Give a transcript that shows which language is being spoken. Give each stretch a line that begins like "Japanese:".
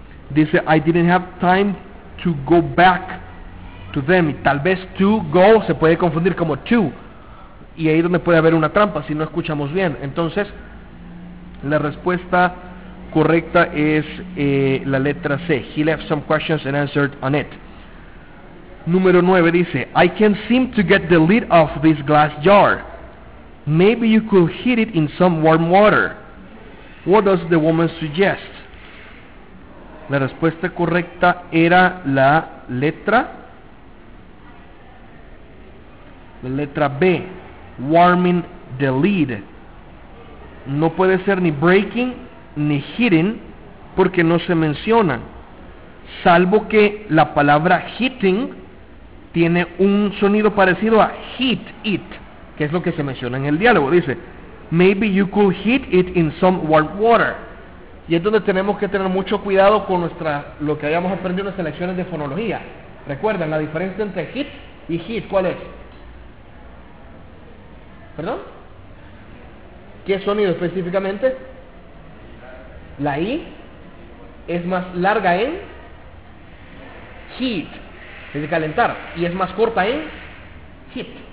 English: Dice, I didn't have time to go back to them.
Spanish: Y tal vez to go se puede confundir como to. Y ahí es donde puede haber una trampa si no escuchamos bien. Entonces, la respuesta correcta es la letra C.
English: He left some questions unanswered on it.
Spanish: Número 9 dice,
English: I can't seem to get the lid off this glass jar. Maybe you could heat it in some warm water. What does the woman suggest?
Spanish: La respuesta correcta era la letra B,
English: warming the lid.
Spanish: No puede ser ni breaking ni heating porque no se mencionan, salvo que la palabra heating tiene un sonido parecido a heat it, que es lo que se menciona en el diálogo. Dice,
English: maybe you could heat it in some warm water.
Spanish: Y es donde tenemos que tener mucho cuidado con lo que habíamos aprendido en las lecciones de fonología. ¿Recuerdan la diferencia entre hit y heat? ¿Cuál es? ¿Perdón? ¿Qué sonido específicamente? La I es más larga en heat, es de calentar, y es más corta en hit.